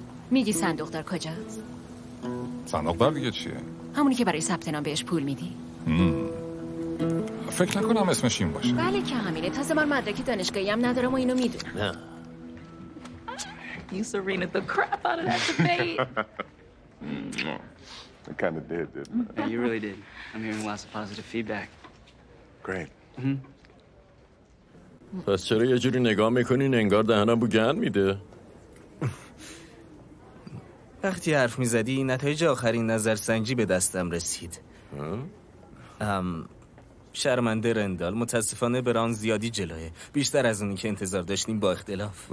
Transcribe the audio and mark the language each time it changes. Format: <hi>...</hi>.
<fa>میگی صندوق دار کجاست؟ صندوق دار دیگه چیه؟ همونی که برای ثبت نام بهش پول میدی؟ فکر نکنم اسمش این باشه. بله که همینه، تازه من مدرک دانشگاهی هم ندارم و اینو میدونم. نه.</fa> <en>You Serena the crap out of that debate. I kind of did, didn't I? You really did. I'm hearing lots of positive feedback. Great.</en> <fa>پس چرا یه جوری نگاه میکنین انگار دهنم بو گن میده؟ وقتی حرف میزدی نتایج آخرین نظر سنجی به دستم رسید. شرمنده رندال، متاسفانه بران زیادی جلوه، بیشتر از اونی که انتظار داشتیم با اختلاف.</fa>